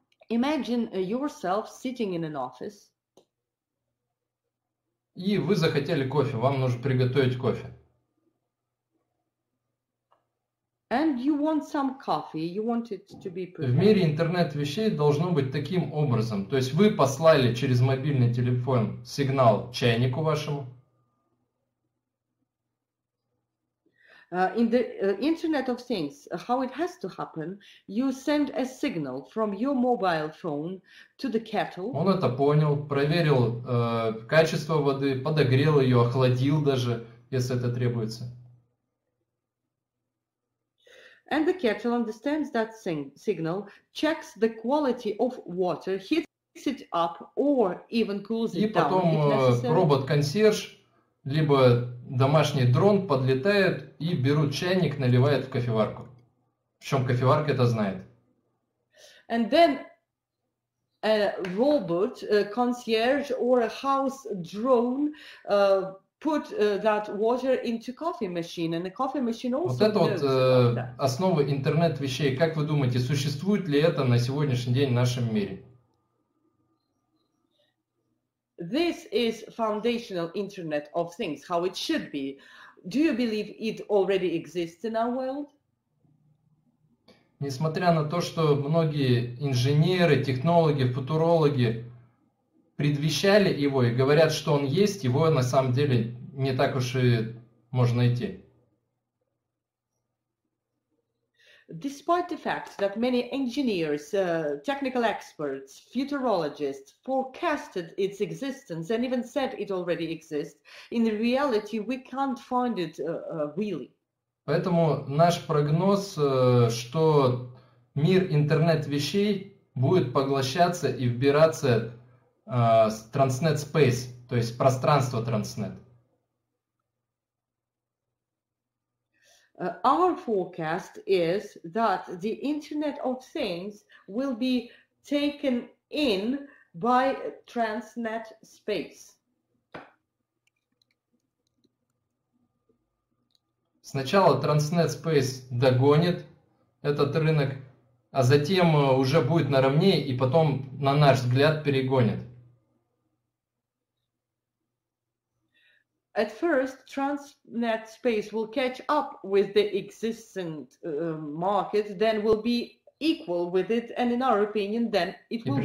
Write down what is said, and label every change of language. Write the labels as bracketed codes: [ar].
[en] Imagine yourself sitting in an office. [ru] И вы захотели кофе, вам нужно приготовить кофе. [en] And you want some coffee, you want it to be prepared. [ru] В мире интернет вещей должно быть таким образом. То есть вы послали через мобильный телефон сигнал чайнику вашему. [en] In the Internet of Things, how it has to happen, you send a signal from your mobile phone to the kettle. [ru] Он это понял, проверил качество воды, подогрел ее, охладил даже, если это требуется. [en] And the kettle understands that signal, checks the quality of water, heats it up or even cools it down. [ru] И потом робот-консьерж, либо домашний дрон подлетает и берут чайник, наливает в кофеварку. Причем кофеварка это знает. [en] And then a robot, a concierge or a house drone put that water into coffee machine, and the coffee machine also knows. [ru] Вот это вот основа интернет вещей. Как вы думаете, существует ли это на сегодняшний день в нашем мире? [en] This is foundational Internet of Things, how it should be. Do you believe it already exists in our world? [ru] Несмотря на то, что многие инженеры, технологи, футурологи предвещали его и говорят, что он есть, его на самом деле не так уж и можно найти. [en] Despite the fact that many engineers, technical experts, futurologists forecasted its existence and even said it already exists, in reality we can't find it really. [ru] Поэтому наш прогноз, что мир интернет вещей будет поглощаться и вбираться Transnet Space, то есть пространство Transnet. [en] Our forecast is that the Internet of Things will be taken in by Transnet Space. [ru] Сначала Transnet Space догонит этот рынок, а затем уже будет наравне и потом, на наш взгляд, перегонит. [en] At first, Transnet Space will catch up with the existing market, then will be equal with it, and in our opinion, then it will go ahead.